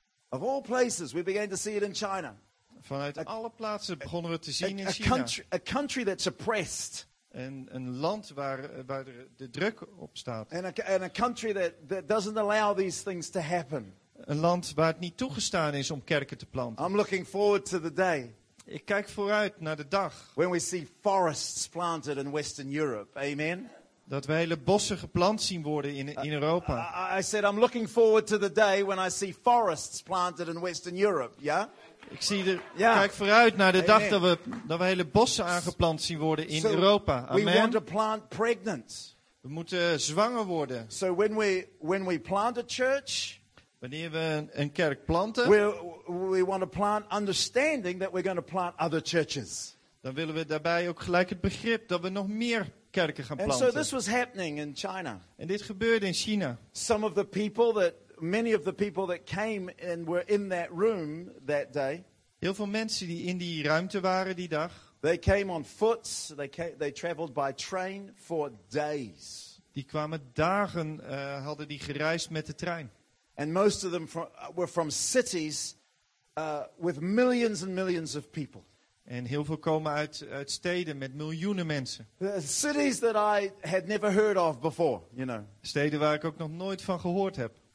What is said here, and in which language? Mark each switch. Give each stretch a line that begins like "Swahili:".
English: Of all places, we began to see it in China.
Dutch: Vanuit alle plaatsen begonnen we te zien in China.
English: A country that's oppressed.
Dutch: En een land waar de druk op staat.
English: And a country that doesn't allow these things to happen.
Dutch: Een land waar het niet toegestaan is om kerken te planten.
English: I'm looking forward to the day.
Dutch: Ik kijk vooruit naar de dag.
English: When we see forests planted in Western Europe. Amen.
Dutch: Dat we hele bossen geplant zien worden in Europa.
English: I said I'm looking forward to the day when I see forests planted in Western Europe. Ja? Yeah?
Dutch: Ik zie kijk vooruit naar de dag dat we hele bossen aangeplant zien worden in Europa. Amen.
English: We want to plant pregnant.
Dutch: We moeten zwanger worden.
English: So when we plant a church,
Dutch: wanneer we een kerk planten,
English: we want to plant understanding that we're going to plant other churches.
Dutch: Dan willen we daarbij ook gelijk het begrip dat we nog meer kerken gaan planten.
English: And so this was happening in China.
Dutch: En dit gebeurde in China.
English: Some of the people that Many of the people that came and were in that room that day.
Dutch: Heel veel mensen die in die ruimte waren die dag.
English: They came on foot. They traveled by train for days.
Dutch: Die kwamen dagen, hadden die gereisd met de trein.
English: And most of them were from cities with millions and millions of people.
Dutch: En heel veel komen uit steden met miljoenen mensen.
English: Cities that I had never heard of before, you know.
Dutch: Steden waar ik ook nog nooit van gehoord heb.